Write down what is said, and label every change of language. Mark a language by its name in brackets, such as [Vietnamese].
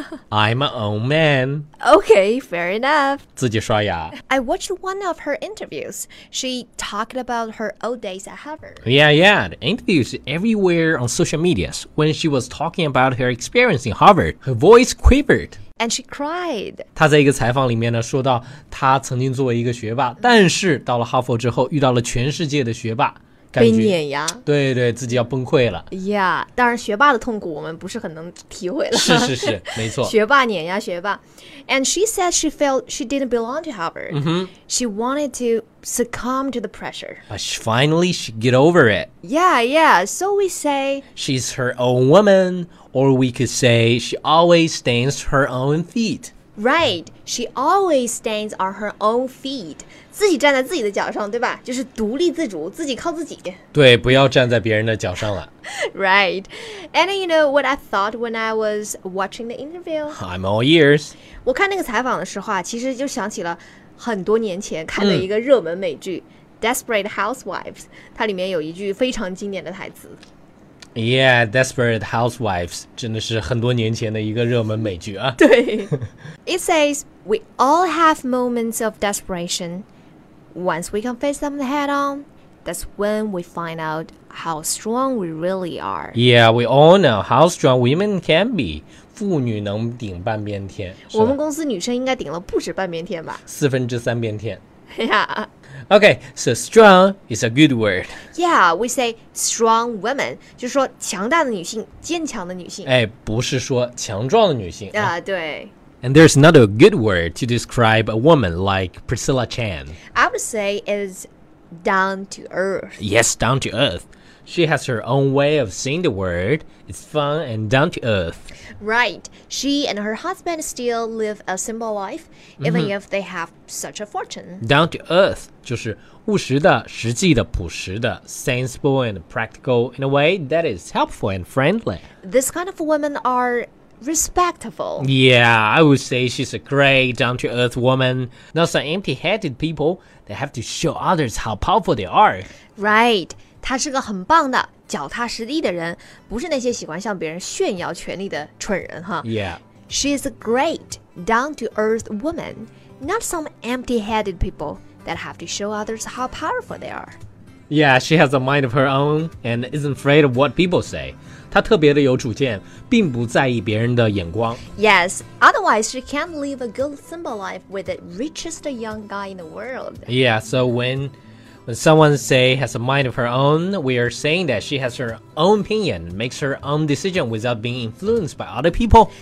[English] I'm my own man. Okay, fair enough. [Chinese] 自己刷牙。 [English] I watched one of her interviews. She talked about her old days at Harvard. Yeah, yeah. The interviews everywhere on social medias. When she was talking about her experience in Harvard, her voice quivered. And she cried. [Chinese] 她在一个采访里面呢，说到她曾经作为一个学霸，但是到了哈佛之后，遇到了全世界的学霸，感觉被碾压。对对，自己要崩溃了。 Yeah, 当然学霸的痛苦我们不是很能体会了。是是是，没错。学霸碾压学霸。 [English] And she said she felt she didn't belong to Harvard.、 Mm-hmm. She wanted to succumb to the pressure. But she finally she get over it. Yeah, yeah. So we say she's her own woman. Or we could say she always stands her own feet. Right, she always stands on her own feet. [Chinese] 自己站在自己的脚上，对吧？就是独立自主，自己靠自己。对，不要站在别人的脚上了。 [English] Right, and you know what I thought when I was watching the interview? I'm all ears. [Chinese] 我看那个采访的时候啊，其实就想起了很多年前看的一个热门美剧《Desperate Housewives》，它里面有一句非常经典的台词。 Yeah, Desperate Housewives 真的是很多年前的一个热门美剧啊。 [English] 对。It says, we all have moments of desperation. Once we can face them head on, that's when we find out how strong we really are. Yeah, we all know how strong women can be. [Chinese] 妇女能顶半边天。我们公司女生应该顶了不止半边天吧。四分之三边天。 [English] Yeah. Okay, so strong is a good word. Yeah, we say strong women. [Chinese] 就是说强大的女性，坚强的女性。哎，不是说强壮的女性。啊，对。 [English] And there's another good word to describe a woman like Priscilla Chan. I would say it's down to earth. Yes, down to earth. She has her own way of saying the word. It's fun and down to earth. Right. She and her husband still live a simple life, even、mm-hmm. if they have such a fortune. Down to earth. [Chinese] 就是务实的、实际的、朴实的 [English] sensible and practical in a way that is helpful and friendly. This kind of women are respectful. Yeah, I would say she's a great down to earth woman. Not some empty headed people. They have to show others how powerful they are. Right. [Chinese] 她是个很棒的脚踏实地的人不是那些喜欢向别人炫耀权力的蠢人哈。 [English] Yeah. She is a great down-to-earth woman, not some empty-headed people that have to show others how powerful they are. Yeah, she has a mind of her own and isn't afraid of what people say. [Chinese] 她特别的有主见并不在意别人的眼光。 [English] Yes, otherwise she can't live a good simple life with the richest young guy in the world. Yeah, so when... When someone say has a mind of her own, we are saying that she has her own opinion, makes her own decision without being influenced by other people.